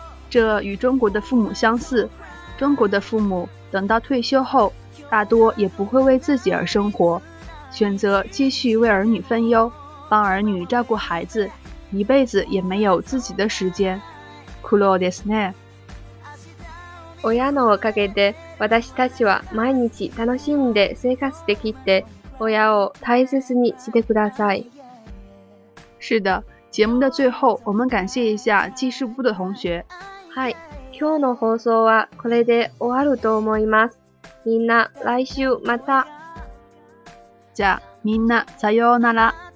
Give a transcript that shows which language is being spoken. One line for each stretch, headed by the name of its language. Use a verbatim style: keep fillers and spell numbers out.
Chinese: 这与中国的父母相似，中国的父母等到退休后，大多也不会为自己而生活，选择继续为儿女分忧，帮儿女照顾孩子，一辈子也没有自己的时间。
Japanese: 苦労ですね。親のおかげで私たちは毎日楽しんで生活できて、親を大切にしてください。
Chinese: 是的，节目的最后，我们感谢一下记事部的同学。
Japanese: はい、今日の放送はこれで終わると思います。みんな来週また。じゃあみんなさようなら。